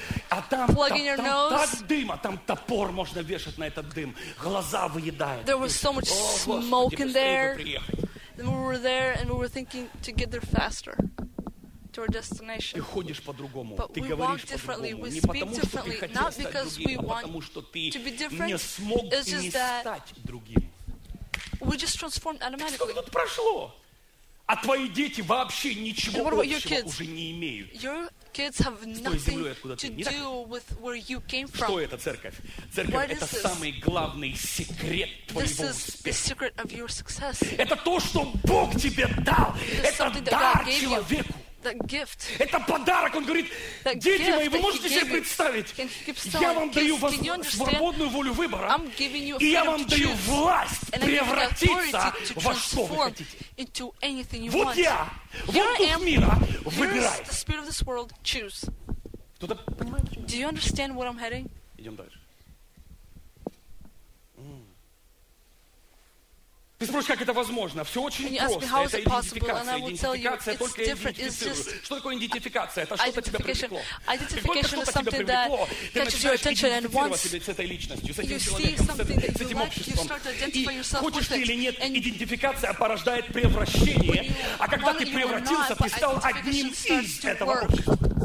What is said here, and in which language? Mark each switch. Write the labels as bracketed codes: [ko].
[ru] А там, так дыма, там топор можно вешать на этот дым. Глаза выедает. [en] There was so much smoke in there. And we were there, and we were thinking to get there faster to our destination. [ru] Ты ходишь по-другому, ты говоришь по-другому. Не потому, что ты хотел стать другим, а потому, что ты не смог и не стать другим. [en] We just transformed automatically. [ru] Что тут прошло? А твои дети вообще ничего общего уже не имеют. [en] Kids have nothing to do with where you came from. [ru] Что это церковь? Церковь — это самый главный секрет твоего успеха. [en] This is the secret of your success. [ru] Это то, что Бог тебе дал. Это дар человеку. [en] That gift. [ru] Это подарок, он говорит, дети мои, вы можете себе представить? Я вам даю вас свободную волю выбора, и я вам даю власть превратиться во что вы хотите. Вот я, вот дух мира, выбирай. [en] The spirit of this world, choose. [ru] Кто-то понимает, почему? [en] Do you understand where I'm heading? [ru] Идем дальше. Ты спросишь, как это возможно? Все очень просто. Это идентификация. Идентификация только идентифицирует. Что такое идентификация? Это что-то тебя привлекло. [en] Identification is something that catches your attention, and once [ru] с этой личностью, с этим человеком, с этим обществом, хочешь ты или нет, идентификация порождает превращение. А когда ты превратился, ты стал одним из этого общества.